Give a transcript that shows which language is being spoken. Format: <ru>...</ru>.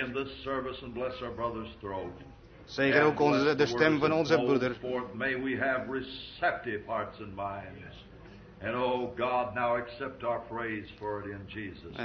<en>In this service and bless our brother's throat.</en> <nl>Zegen ook onze, de stem van onze broeder.</nl> <en>May we have receptive hearts and minds. And oh God, now accept our praise for it in Jesus' name.</en>